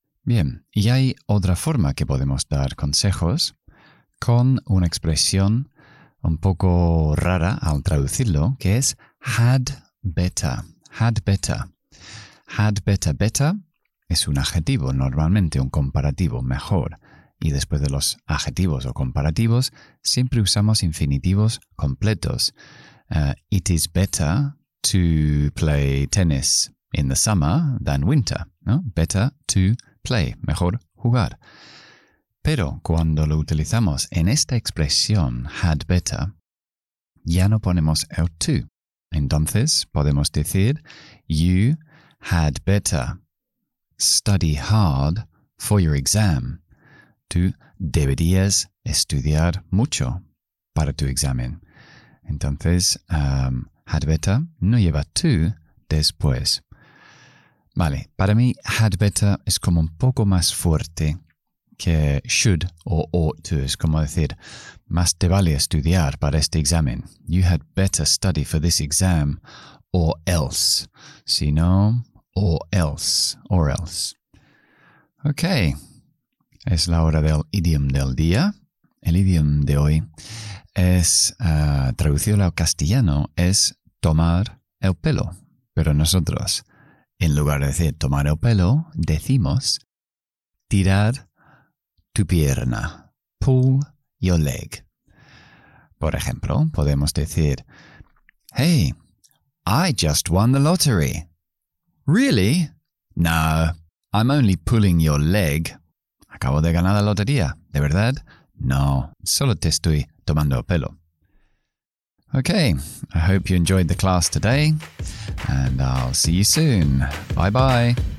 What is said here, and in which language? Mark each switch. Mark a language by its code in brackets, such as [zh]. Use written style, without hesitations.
[es] Bien, y hay otra forma que podemos dar consejos con una expresión un poco rara al traducirlo, que es had better. Had better. Had better, better. Es un adjetivo, normalmente un comparativo, mejor. Y después de los adjetivos o comparativos, siempre usamos infinitivos completos. [en] It is better to play tennis in the summer than winter. [es] ¿No? [en] Better to play, [es] mejor jugar. Pero cuando lo utilizamos en esta expresión, had better, ya no ponemos el to. Entonces podemos decir, [en] you had better study hard for your exam. [es] tú deberías estudiar mucho para tu examen. Entonces, had better no lleva tú después. Vale, para mí had better es como un poco más fuerte que should o ought to. Es como decir, más te vale estudiar para este examen. [en] You had better study for this exam or else. [es] Si no, [en] or else. [es] Ok, es la hora del idiom del día. El idiom de hoy es, traducido al castellano, es tomar el pelo. Pero nosotros, en lugar de decir tomar el pelo, decimos tirar tu pierna. [en] Pull your leg. [es] Por ejemplo, podemos decir, [en] hey, I just won the lottery. Really? No, I'm only pulling your leg. [es] Acabo de ganar la lotería, ¿de verdad? No, solo te estoy tomando el pelo. [en] Okay, I hope you enjoyed the class today, and I'll see you soon. Bye bye.